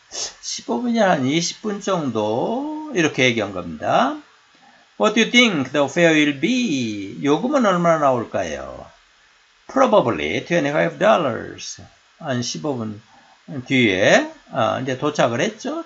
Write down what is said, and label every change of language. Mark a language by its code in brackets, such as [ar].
[ko] 15분이 한 20분 정도 이렇게 얘기한 겁니다. [en] What do you think the fare will be? [ko] 요금은 얼마나 나올까요? [en] Probably $25. [ko] 한 15분 뒤에 이제 도착을 했죠.